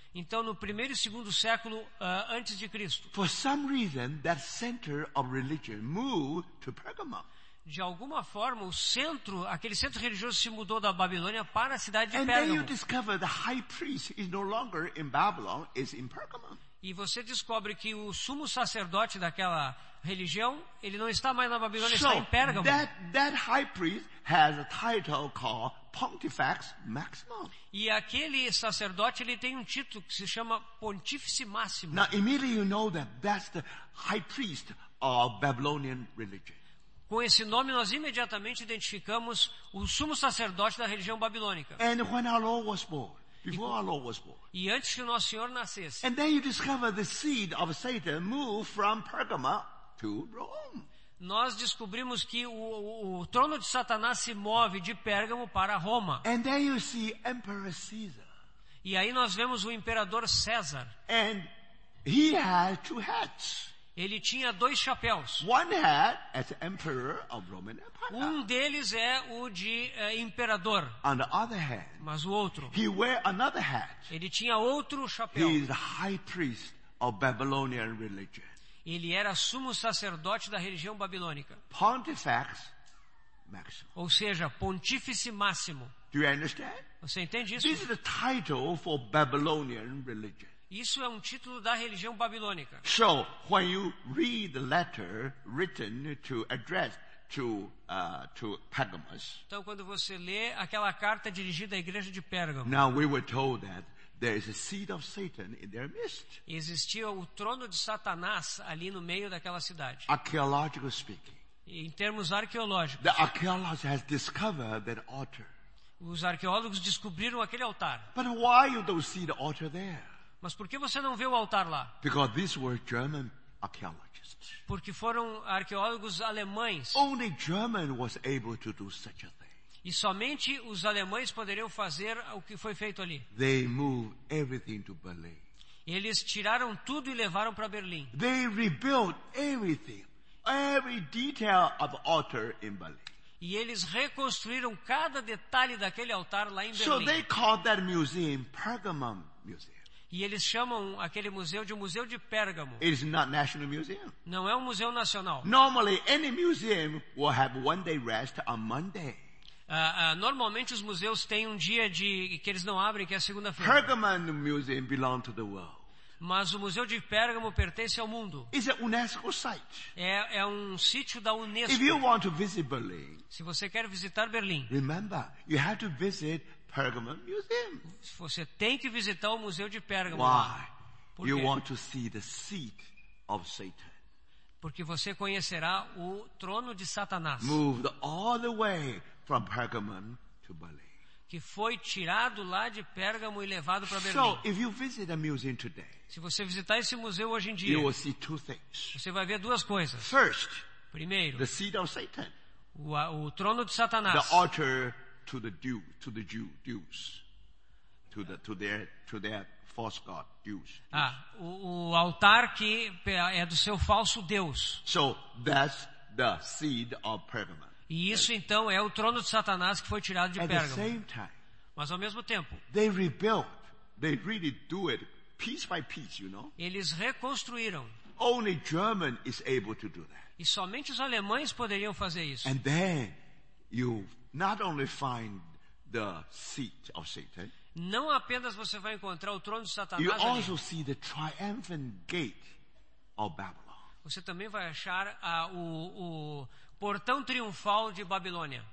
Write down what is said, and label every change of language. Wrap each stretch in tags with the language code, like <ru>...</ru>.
<pt>Então, no primeiro e segundo século antes de Cristo.</pt> <en>For some reason, that center of religion moved to Pergamum.</en> <pt>De alguma forma, o centro, aquele centro religioso se mudou da Babilônia para a cidade de</pt> <en>Pérgamo. And then you discover the high priest is no longer in Babylon, is in Pergamum.</en> <pt>E você descobre que o sumo sacerdote daquela religião, ele não está mais na Babilônia, está em Pérgamo.</pt> <en>That high priest has a title called Pontifex Maximus.</en> <pt>E aquele sacerdote, ele tem um título que se chama Pontífice Máximo.</pt> <en>Now immediately you know that that's the high priest of Babylonian religion.</en> <pt>Com esse nome nós imediatamente identificamos o sumo sacerdote da religião babilônica.</pt> <en>And when our Lord was born, before our Lord was born.</en> <pt>E antes que o nosso Senhor nascesse.</pt> <en>And then you discover the seed of Satan moved from Pergamum to Rome.</en> <pt>Nós descobrimos que o trono de Satanás se move de Pérgamo para Roma.</pt> <en>And then you see Emperor Caesar.</en> <pt>E aí nós vemos o imperador César.</pt> <en>And he had two hats.</en> <pt>Ele tinha dois chapéus.</pt> <en>One hat as emperor of Roman Empire.</en> <pt>Um deles é o de imperador.</pt> <en>On the other hand,</en> <pt>mas o outro.</pt> <en>He wear another hat.</en> <pt>Ele tinha outro chapéu.</pt> <en>He is the high priest of Babylonian religion.</en> <pt>Ele era sumo sacerdote da religião babilônica.</pt> <la>Pontifex Maximus.</la> <pt>Ou seja, pontífice máximo.</pt> <en>Do you understand?</en> <pt>Você entende isso?</pt> <en>This is the title for Babylonian religion.</en> <pt>Isso é um título da religião babilônica.</pt> <en>So, when you read the letter written to address to Pergamos.</en> <pt>Então, quando você lê aquela carta dirigida à igreja de Pérgamo.</pt> <en>Now we were told that there is a seed of Satan in their midst.</en> <pt>Existia o trono de Satanás ali no meio daquela cidade.</pt> <en>Archaeological speaking.</en> <pt>Em termos arqueológicos.</pt> <en>The archaeologist has discovered that altar.</en> <pt>Os arqueólogos descobriram aquele altar.</pt> <en>But why you don't see the altar there?</en> <pt>Mas por que você não vê o altar lá?</pt> <en>Because these were German archaeologists.</en> <pt>Porque foram arqueólogos alemães.</pt> <en>Only German was able to do such a thing.</en> <pt>E somente os alemães poderiam fazer o que foi feito ali.</pt> <en>They moved everything to Berlin.</en> <pt>Eles tiraram tudo e levaram para Berlim.</pt> <en>They rebuilt everything, every detail of the altar in Berlin.</en> <pt>E eles reconstruíram cada detalhe daquele altar lá em Berlim.</pt> <en>So they called that museum Pergamum Museum.</en> <pt>E eles chamam aquele museu de Museu de Pérgamo.</pt> <en>It is not national museum.</en> <pt>Não é um museu nacional.</pt> <en>Normally, any museum will have one day rest on Monday.</en> <pt>Normalmente os museus têm um dia de que eles não abrem, que é segunda-feira.</pt> <en>Pergamon Museum belongs to the world.</en> <pt>Mas o Museu de Pérgamo pertence ao mundo.</pt> <en>It's a UNESCO site.</en> <pt>É um sítio da UNESCO.</pt> <en>If you want to visit Berlin,</en> <pt>se você quer visitar Berlim,</pt> <en>remember, you have to visit Pergamon Museum.</en> <pt>Você tem que visitar o Museu de Pérgamo.</pt> <en>Why? You want to see the seat of Satan.</en> <pt>Porque você conhecerá o trono de Satanás.</pt> <en>Moved all the way from Pergamon to Berlin.</en> <pt>Que foi tirado lá de Pérgamo e levado para Berlim.</pt> <en>So, if you visit a museum today,</en> <pt>se você visitar esse museu hoje em dia,</pt> <en>you will see two things.</en> <pt>Você vai ver duas coisas.</pt> <en>First,</en> <pt>primeiro,</pt> <en>the seat of Satan.</en> <pt>O trono de Satanás.</pt> <en>The altar to the Jew, to the Jew, Jews, to their false god, Jews.</en> <pt>Ah, o altar que é do seu falso Deus.</pt> <en>So that's the seed of Pergamon.</en> <pt>E isso então é o trono de Satanás que foi tirado de Pérgamo.</pt> <en>At the same time,</en> <pt>mas ao mesmo tempo,</pt> <en>they rebuilt. They really do it piece by piece, you know.</en> <pt>Eles reconstruíram.</pt> <en>Only German is able to do that.</en> <pt>E somente os alemães poderiam fazer isso.</pt> <en>And then you not only find the seat of Satan.</en> <pt>Não apenas você vai encontrar o trono de Satanás.</pt> <en>You also see the triumphant gate of Babylon.</en> <pt>Você também vai achar o portão triunfal de Babilônia.</pt>